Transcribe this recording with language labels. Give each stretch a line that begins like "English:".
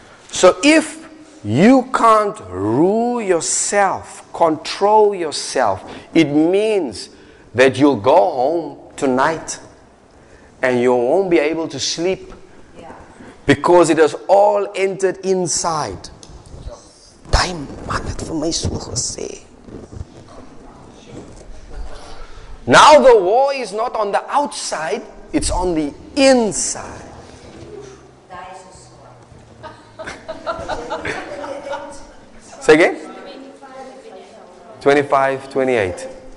English: So if you can't rule yourself, control yourself, it means that you'll go home tonight and you won't be able to sleep because it has all entered inside.
Afrikaans: Die man het vir my so gesê.
English: Now the war is not on the outside, it's on the inside. Say again? 25:28.